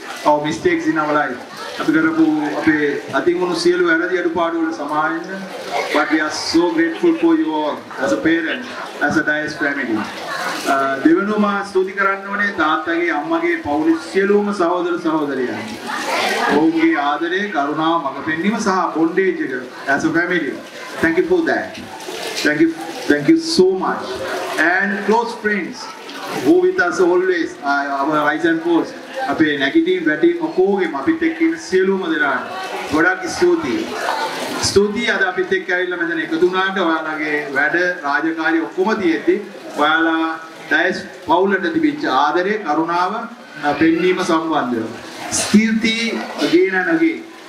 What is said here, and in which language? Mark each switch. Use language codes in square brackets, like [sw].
[en] our mistakes in our life [si] අපි කරපු අපේ අතිමුණු සියලු වැරදි අඩුපාඩු වල සමාවෙන්න [en] but we are so grateful for you all as a parent as a dais family [si] දෙවනුව මා ස්තුති කරන්න ඕනේ තාත්තගේ අම්මගේ පවුලේ සියලුම සහෝදර සහෝදරියන්. ඔවුන්ගේ ආදරය, කරුණාව, මගපෙන්වීම සහ බොන්ඩේජ් එක [en] as a family. Thank you for that. Thank you so much. And close friends who with us always our rise and falls. [si] අපේ නැගිටීම් වැටීම් ඔක්කොගේ අපිත් එක්ක ඉන්න සියලුම දෙනාට ගොඩක් ස්තුතියි. ස්තුතියි අද අපිත් එක්ක ඇවිල්ලා මෙතන එකතු වුණාට ඔයාලගේ වැඩ රාජකාරී ඔක්කොම තියෙද්දි ඔයාලා දැයිස් පවුලට තිබිච්ච ආදරේ කරුණාව පෙන්වීම සම්බන්ධව ස්තිති [en] again and again